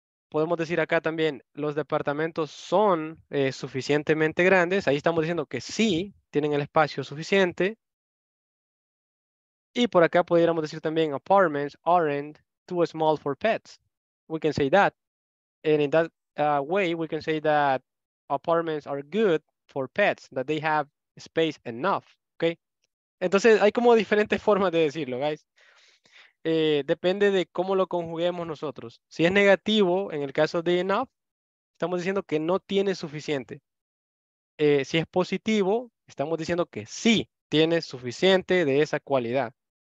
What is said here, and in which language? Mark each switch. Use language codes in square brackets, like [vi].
[es] Podemos decir acá también, los departamentos son suficientemente grandes. Ahí estamos diciendo que sí, tienen el espacio suficiente. Y por acá pudiéramos decir también, [en] apartments aren't too small for pets. We can say that. And in that way, we can say that apartments are good for pets, that they have space enough. Okay. [es] Entonces, hay como diferentes formas de decirlo, guys. Depende de cómo lo conjuguemos nosotros. Si es negativo, en el caso de enough, estamos diciendo que no tiene suficiente. Si es positivo, estamos diciendo que sí tiene suficiente de esa cualidad.